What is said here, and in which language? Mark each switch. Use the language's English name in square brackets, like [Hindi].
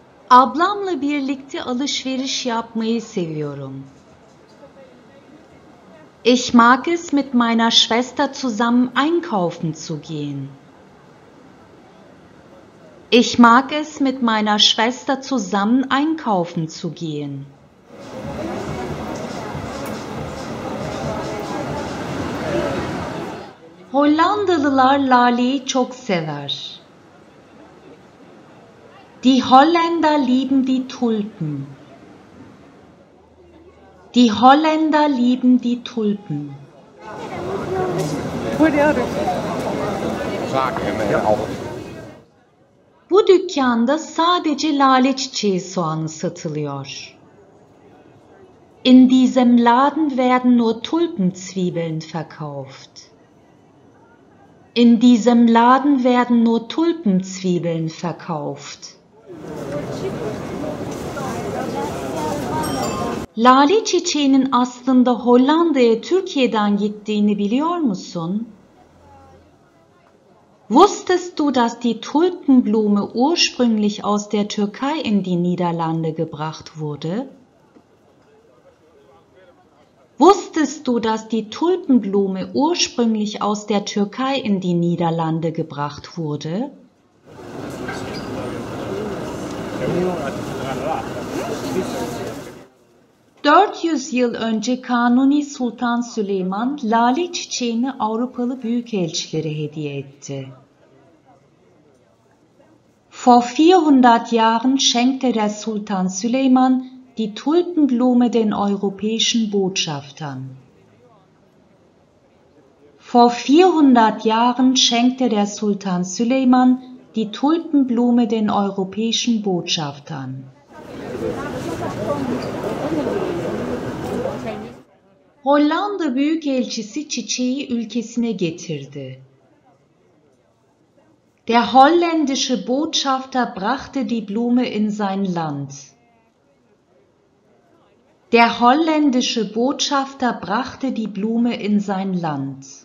[Turkish] Ablamla birlikte alışveriş yapmayı seviyorum. [German] Ich mag es, mit meiner Schwester zusammen einkaufen zu gehen. Ich mag es, mit meiner Schwester zusammen einkaufen zu gehen. [Turkish] Hollandalılar Lale'yi çok sever. [German] Die Holländer lieben die Tulpen. Die Holländer lieben die Tulpen. [Turkish] Bu dükkanda sadece lale çiçeği soğanı satılıyor. [German] In diesem Laden werden nur Tulpenzwiebeln verkauft. In diesem Laden werden nur Tulpenzwiebeln verkauft. [Turkish] Lale çiçeğinin aslında Hollanda'ya Türkiye'den gittiğini biliyor musun? [German] Wusstest du, dass die Tulpenblume ursprünglich aus der Türkei in die Niederlande gebracht wurde? Wusstest du, dass die Tulpenblume ursprünglich aus der Türkei in die Niederlande gebracht wurde? [Turkish] Yüzyıl önce Kanuni Sultan Süleyman lale çiçeğini Avrupalı büyükelçilere hediye etti. [German] Vor 400 Jahren schenkte der Sultan Süleyman die Tulpenblume den europäischen Botschaftern. Vor 400 Jahren schenkte der Sultan Süleyman die Tulpenblume den europäischen Botschaftern. [Turkish] Hollanda Büyükelçisi çiçeği ülkesine getirdi. [German] Der holländische Botschafter brachte die Blume in sein Land. Der holländische Botschafter brachte die Blume in sein Land.